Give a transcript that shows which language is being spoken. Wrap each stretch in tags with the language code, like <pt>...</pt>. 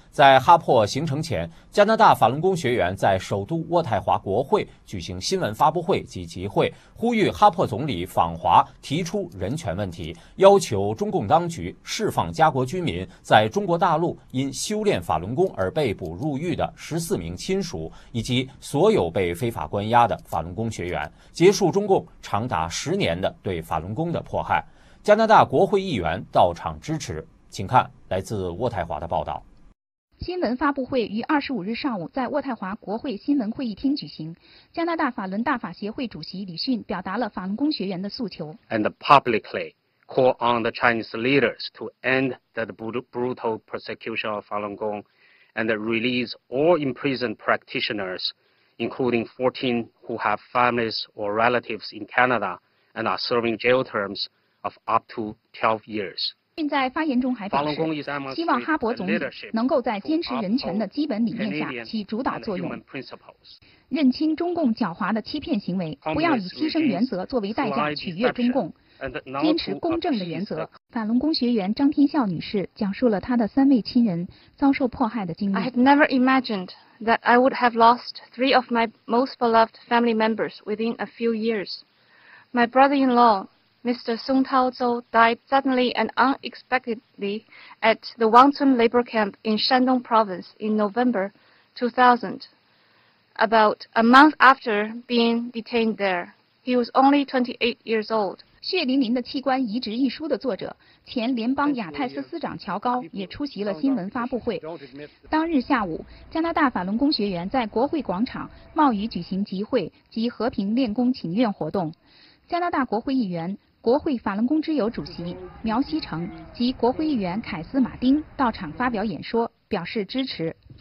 <zh>在哈珀行程前，加拿大法轮功学员在首都渥太华国会举行新闻发布会及集会，呼吁哈珀总理访华提出人权问题，要求中共当局释放加国居民在中国大陆因修炼法轮功而被捕入狱的14名亲属，以及所有被非法关押的法轮功学员，结束中共长达10年的对法轮功的迫害。加拿大国会议员到场支持，请看来自渥太华的报道。新闻发布会于25日上午在渥太华国会新闻会议厅举行。加拿大法轮大法协会主席李迅表达了法轮功学员的诉求。</zh> <en>And publicly call on the Chinese leaders to end the brutal persecution of Falun Gong and release all imprisoned practitioners, including 14 who have families or relatives in Canada and are serving jail terms. Of up to 12 years.</en> <zh>并在发言中还表示，希望哈珀总理能够在坚持人权的基本理念下起主导作用，认清中共狡猾的欺骗行为，不要以牺牲原则作为代价取悦中共，坚持公正的原则。法轮功学员张天笑女士讲述了她的三位亲人遭受迫害的经历。</zh> <en>I had never imagined that I would have lost 3 of my most beloved family members within a few years. My brother-in-law. Mr. Song Taozhou died suddenly and unexpectedly at the Wangchun labor camp in Shandong province in November 2000, about a month after being detained there. He was only 28 years old.</en> <zh>血淋淋的器官移植一书的作者、前联邦亚太司司长乔高也出席了新闻发布会。当日下午，加拿大法轮功学员在国会广场冒雨举行集会及和平练功请愿活动。加拿大国会议员、国会法轮功之友主席苗希成及国会议员凯斯马丁到场发表演说，表示支持。</zh>